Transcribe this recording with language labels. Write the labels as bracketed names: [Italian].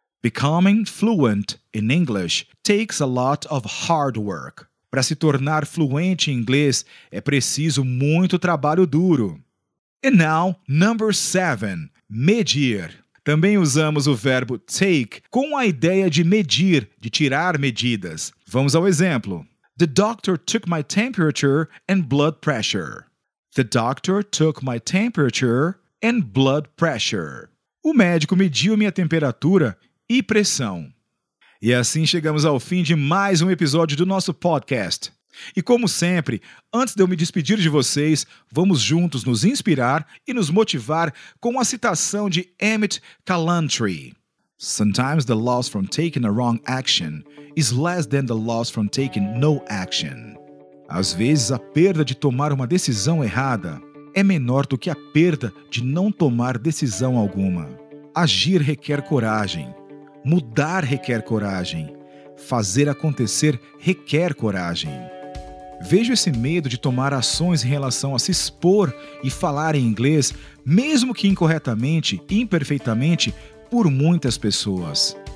[English] Becoming fluent in English takes a lot of hard work. [Portuguese] Para se tornar fluente em inglês, é preciso muito trabalho duro. [English] And now, number 7, [Portuguese] medir. Também usamos o verbo take com a ideia de medir, de tirar medidas. Vamos ao exemplo. [English] The doctor took my temperature and blood pressure. The doctor took my temperature and blood pressure. [Portuguese] O médico mediu minha temperatura e pressão. E assim chegamos ao fim de mais um episódio do nosso podcast. E como sempre, antes de eu me despedir de vocês, vamos juntos nos inspirar e nos motivar com a citação de Emmett Kalantri. [English] Sometimes the loss from taking a wrong action is less than the loss from taking no action. [Portuguese] Às vezes, a perda de tomar uma decisão errada é menor do que a perda de não tomar decisão alguma. Agir requer coragem. Mudar requer coragem. Fazer acontecer requer coragem. Vejo esse medo de tomar ações em relação a se expor e falar em inglês, mesmo que incorretamente, imperfeitamente, por muitas pessoas.